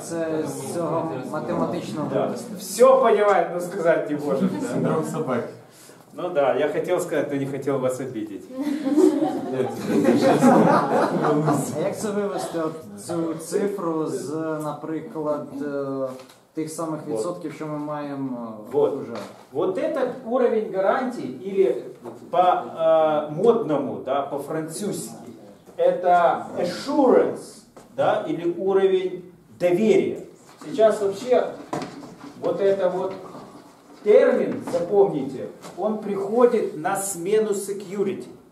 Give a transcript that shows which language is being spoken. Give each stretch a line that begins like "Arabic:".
Ukrainian: Це з цього математичного.
Russian: Да. Все понимает, но сказать не можем. Синдром собаки. Ну да, я хотел сказать, но не хотел вас обидеть.
Ukrainian: А як це вивести цю цифру з, наприклад, тих самих відсотків, що ми маємо уже?
Russian: Вот этот уровень гарантий, или по-модному, по-французски, это assurance. Да, или уровень доверия. Сейчас вообще вот это вот термин, запомните, он приходит на смену security.